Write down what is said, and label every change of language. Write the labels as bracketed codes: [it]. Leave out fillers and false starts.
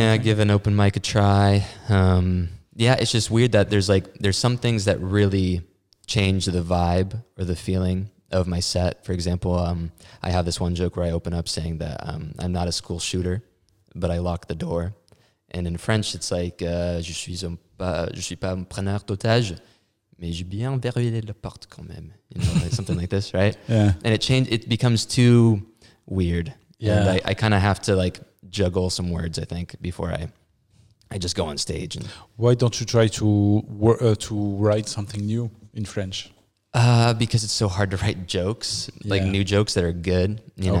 [en] Yeah, give an open mic a try. It's just weird that there's some things that really change the vibe or the feeling of my set. For example, I have this one joke where I open up saying that I'm not a school shooter, but I lock the door. And in French, it's like, [fr] je suis pas un preneur d'otage, mais j'ai bien verrouillé la porte quand même. [en] You know, like something like this, right? Yeah. And it becomes too weird. Yeah. And I kind of have to like juggle some words, I think, before I just go on stage. And why don't you try to write something new in French? Because it's so hard to write jokes, like new jokes that are good, you know?